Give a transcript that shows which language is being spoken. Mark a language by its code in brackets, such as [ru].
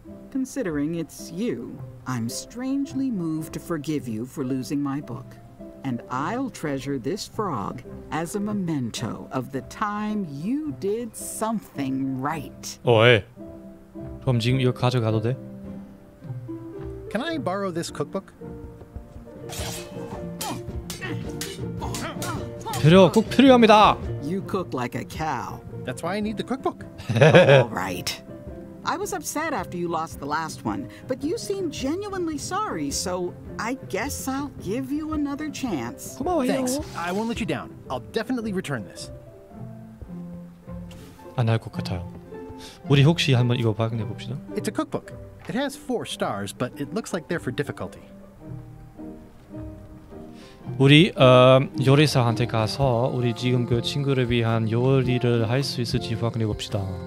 [en] Considering it's you, I'm strangely moved to forgive you for losing my book. and I'll treasure this frog as a memento of the time you did something right. [ko] 어이, 그럼 지금 이거 가져가도 돼? [en] Can I borrow this cookbook? [ko] 필요, 꼭 필요합니다. [en] You cook like a cow. That's why I need the cookbook. All right. I was upset after you lost the last one, but you seem genuinely sorry, so I guess I'll give you another chance. Come on, thanks. I won't let you down. I'll definitely return this. [ko] 안 할 것 같아요. 우리 혹시 한번 이거 확인해 봅시다. [en] It's a cookbook. It has 4 stars, but it looks like they're for difficulty. [ko] 우리 요리사한테 가서 우리 지금 그 친구를 위한 요리를 할 수 있을지 확인해 봅시다.